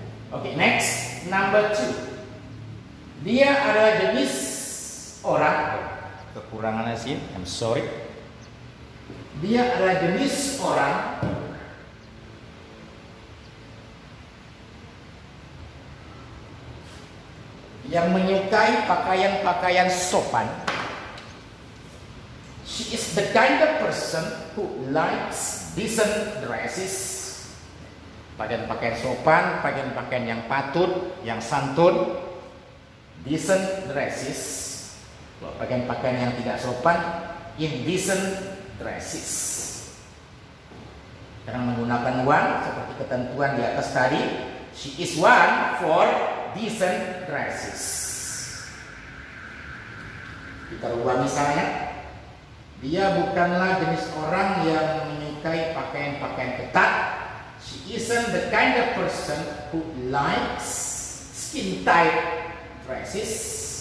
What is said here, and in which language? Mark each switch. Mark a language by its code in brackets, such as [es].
[en] Okay, next, number 2. [id] Dia adalah jenis orang, kekurangannya sih, [en] I'm sorry. [id] Dia adalah jenis orang yang menyukai pakaian-pakaian sopan. [en] She is the kind of person who likes decent dresses. [id] Pakaian-pakaian sopan, pakaian-pakaian yang patut, yang santun. [en] Decent dresses. [id] Kalau pakaian-pakaian yang tidak sopan, [en] indecent dresses. [id] Karena menggunakan one seperti ketentuan di atas tadi, [en] she is one for decent dresses. [id] Kita ubah misalnya, dia bukanlah jenis orang yang menyukai pakaian-pakaian ketat. [en] She isn't the kind of person who likes skin tight dresses.